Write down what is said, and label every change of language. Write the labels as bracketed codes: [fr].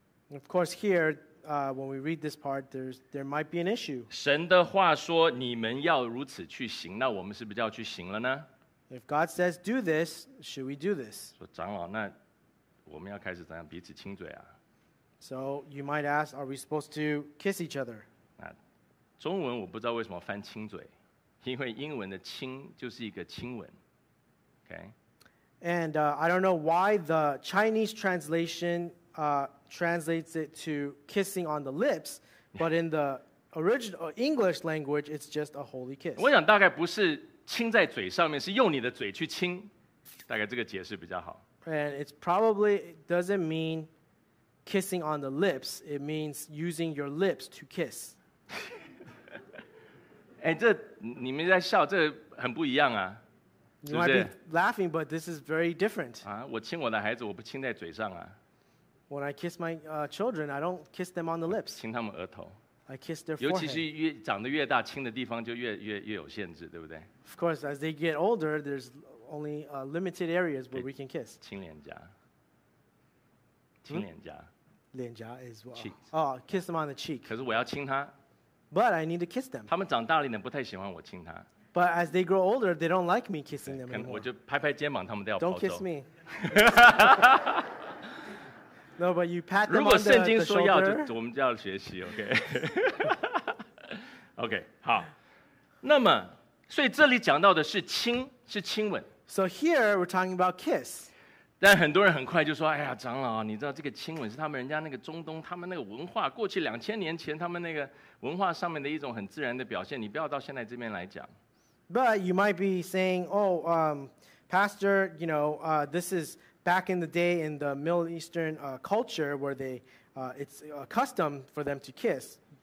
[en] Of course here, when we read this part, there might be an issue. [zh] 神的话说你们要如此去行, 那我们是不是要去行了呢? [en] If God says do this, should we do this? [zh] 说长老那我们要开始怎样彼此亲嘴啊? [en] So you might ask, are we supposed to kiss each other? [zh] 中文我不知道为什么翻亲嘴, 因为英文的亲就是一个亲吻, [en] okay? And I don't know why the Chinese translation translates it to kissing on the lips, but in the original English language, it's just a holy kiss. [zh] 我想大概不是亲在嘴上面，是用你的嘴去亲， 大概这个解释比较好。 [en] And it probably doesn't mean kissing on the lips. It means using your lips to kiss. [zh] 哎，这你们在笑，这很不一样啊。 [en] You might be laughing, but this is very different. [zh] 啊, 我亲我的孩子, 我不亲在嘴上啊。 [en] When I kiss my children, I don't kiss them on the lips. [zh] 亲他们额头。 [en] I kiss their forehead. [zh] 尤其是越长得越大, 亲的地方就越有限制, 对不对? [en] Of course, as they get older, there's only limited areas where we can kiss. [zh] 亲脸颊。亲脸颊。 [en] 脸颊 is what? Cheeks. Oh, kiss them on the cheek. [zh] 可是我要亲他。 [en] But I need to kiss them. [zh] 他们长大了点, 不太喜欢我亲他。 [en] But as they grow older, they don't like me kissing them anymore. [zh] 我就拍拍肩膀, [en] don't kiss me. No, but you pat them on the shoulder. [zh] 我们就要学习, [en] okay? Okay, [zh] 好。那么,所以这里讲到的是亲,是亲吻。 [en] So here, we're talking about kiss. [zh] 但很多人很快就说, 哎呀, 长老, 你知道这个亲吻是他们人家那个中东, 他们那个文化, 过去2000年前, 他们那个文化上面的一种很自然的表现, 你不要到现在这边来讲。 [en] But you might be saying, oh, Pastor, you know, this is back in the day in the Middle Eastern culture where they, it's a custom for them to kiss.